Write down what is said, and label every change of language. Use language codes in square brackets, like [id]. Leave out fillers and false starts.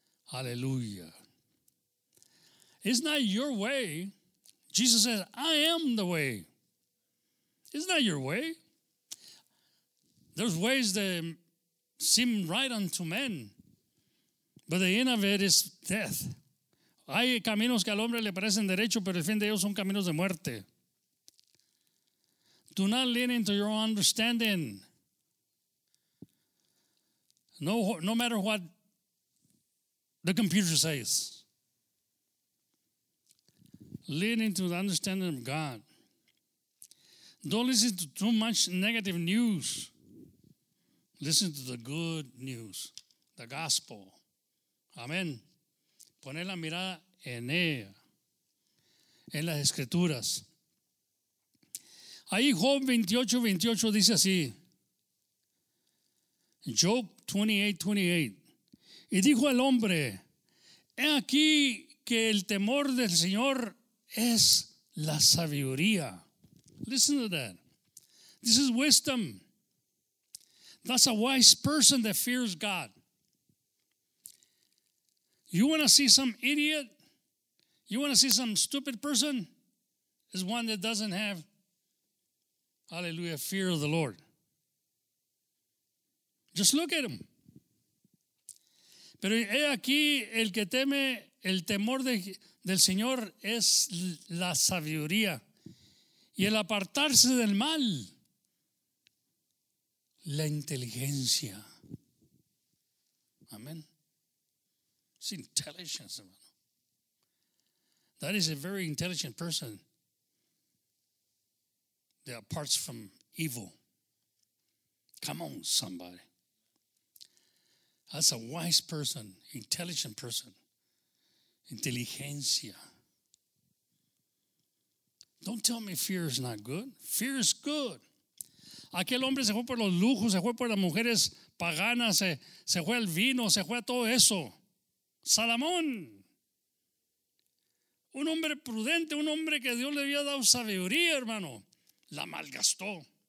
[en] Hallelujah. It's not your way. Jesus says, I am the way. It's not your way. There's ways that seem right unto men, but the end of it is death. [es] Hay caminos que al hombre le parecen derecho, pero el fin de ellos son caminos de muerte. [en] Do not lean into your own understanding. No matter what the computer says. Lean into the understanding of God. Don't listen to too much negative news. Listen to the good news, the gospel. Amen. [es] Poner la mirada en ella, en las escrituras. Ahí Job 28:28 dice así, Job 28:28, y dijo al hombre: He aquí que el temor del Señor es la sabiduría. [en] Listen to that. This is wisdom. That's a wise person that fears God. You want to see some idiot? You want to see some stupid person? Is one that doesn't have, hallelujah, fear of the Lord. Just look at him. [es] Pero he aquí, el que teme el temor del Señor es la sabiduría. Y el apartarse del mal, la inteligencia. [en] Amen. It's intelligence, hermano. That is a very intelligent person that aparts from evil. Come on, somebody. That's a wise person, intelligent person. Inteligencia. Don't tell me fear is not good. Fear is good. [es] Aquel hombre se fue por los lujos, se fue por las mujeres paganas, se fue al vino, se fue a todo eso. Salomón. Un hombre prudente, un hombre que Dios le había dado sabiduría, hermano. La malgastó.